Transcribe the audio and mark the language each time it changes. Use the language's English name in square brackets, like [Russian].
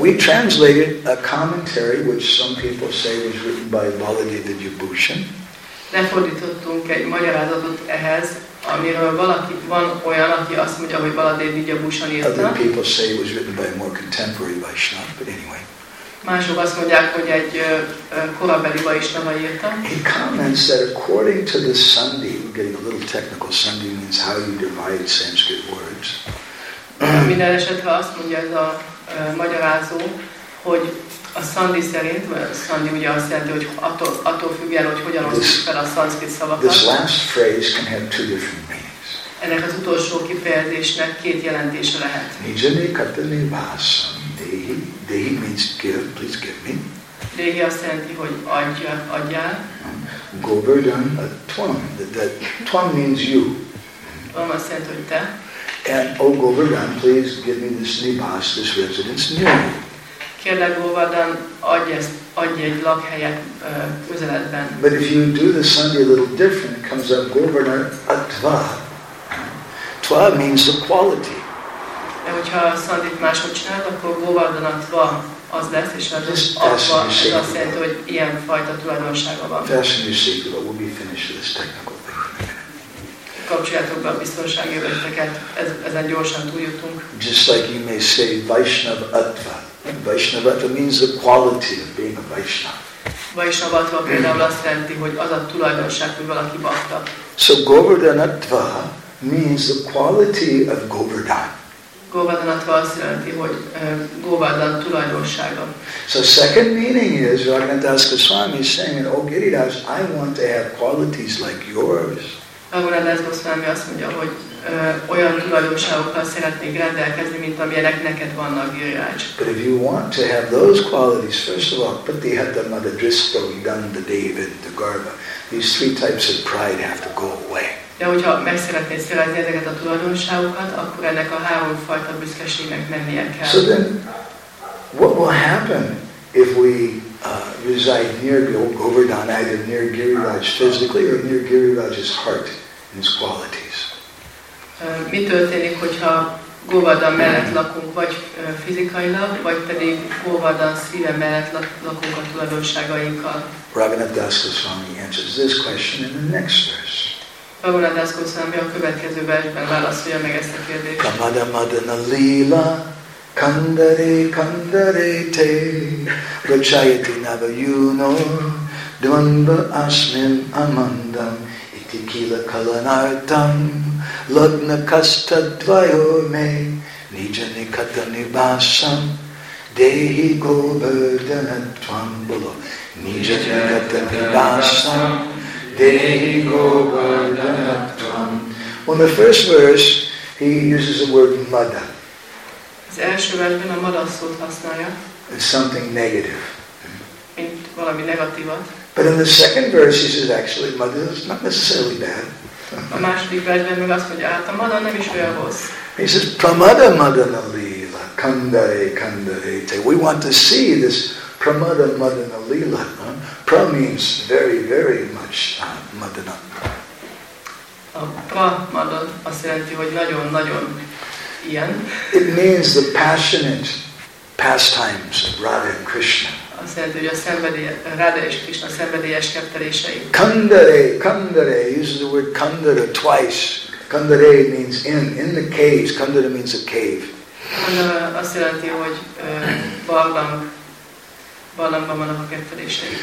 [English] We translated a commentary which some people say was written by Baladeva Vibhushan. [Hungarian] Lefordítottunk egy magyarázatot ehhez, amiről valaki van olyan, aki azt mondja, hogy Baladeva Vibhushan írta. [English] Other people say it was written by a more contemporary Vaishnava, but anyway. [Hungarian] Mások azt mondják, hogy egy korabeli Vaishnava írta. [English] He comments that according to the Sandhi, we're getting a little technical, Sandhi means how you divide Sanskrit words. [Hungarian] Minden esetre azt mondja ez a magyarázó, hogy a Sandhi szerint, mert a Sandhi ugye azt jelenti, hogy attól függően, hogy hogyan osztjuk fel a szanszkrit szavakat. [English] This last phrase can have two different meanings. [Hungarian] Ennek az utolsó kifejezésnek két jelentése lehet. [Sanskrit] Nijane katane vasam. [English] Dehi means give, please give me. [Hungarian] Dehi azt jelenti, hogy adjál. [English] Govardhan, a twam, that twam means you. [Hungarian] Twam azt jelenti, hogy te. [English] And, oh Govardhan, please give me this nibhas, this residence near me. [Hungarian] Kérlek, Govardhan, adj ezt adj egy lakhelyet közeledben. [English] But if you do the sandhi a little different, it comes up Govardhan Atva. Tva means the quality. [Hungarian] De hogyha a sandhit máshogy csinálod, akkor Govardhan Atva az lesz, és az Atva azt jelenti, hogy ilyen fajta tulajdonsága van. [English] Fasten your seatbelt, we'll be finished this technical thing. [Hungarian] Kapcsoljátok be a biztonsági övezeteket, ezen gyorsan túljutunk. [English] Just like you may say Vaishnav Atva. Vaishnavatva means the quality of being a Vaishnava. [Hungarian] Vaishnavatva például azt jelenti, hogy az a tulajdonság, hogy valaki bhakta. [English] So Govardhanatva means the quality of Govardhan. [Hungarian] Govardhanatva azt jelenti, hogy Govardhan tulajdonsága. [English] So second meaning is, Raghunathdas Goswami is saying, oh Giridhas, I want to have qualities like yours. [Hungarian] Raghunathdas Goswami azt mondja, hogy olyan tulajdonságokkal szeretnék rendelkezni, mint amilyenek neked vannak, Giriraj. [English] But if you want to have those qualities, first of all, [Sanskrit] pati, hata, mada, drisko, danda, david, dagarbha, [English] these three types of pride have to go away. [Hungarian] De hogyha meg szeretnéd szeretni ezeket a tulajdonságokat, akkor ennek a három fajta büszkeségnek mennie kell. [English] So then, what will happen if we reside near Govardhan, either near Giriraj physically or near Giriraj's heart and his qualities? [Hungarian] Mi történik, hogyha Govardhan mellett lakunk, vagy fizikailag, vagy pedig Govardhan szíve mellett lakunk a tulajdonságainkkal? [English] Raghunathdas Goswami answers this question in the next verse. [Hungarian] Raghunathdas Goswami a következő versben válaszolja meg ezt a kérdést. [Sanskrit] Kamada madana lila kandare kandare te rachayati navayuno dvandva asmin amandam iti kila kalanartam Lagna kasta dvayo me nija nikata nivasam dehi govardhana tvam bolo nija nikata nivasam dehi govardhana tvam. [English] On the first verse he uses the word mada. [Hungarian] Az első versben a mada szót használja. [English] It's something negative. [Hungarian] Mint valami negatívat. [English] But in the second verse he says actually mada is not necessarily bad. [Hungarian] A második versben meg azt mondja, hát a mada nem is olyan rossz. [English] He says, [Sanskrit] Pramada Madana Leela, Kandare Kandare Te. [English] We want to see this Pramada Madana Leela. Pra means very, very much Madana. [Hungarian] A Pramada azt jelenti, hogy nagyon-nagyon ilyen. [English] It means the passionate pastimes of Radha and Krishna. [Hungarian] Azt jelenti, hogy a szenvedélye, Radha és Krishna szenvedélyes keptelései. [English] Kandare, kandare, uses the word kandara twice. Kandare means in the cave. Kandara means a cave. [Hungarian] Kandara azt jelenti, hogy barlangban vannak a keptelései.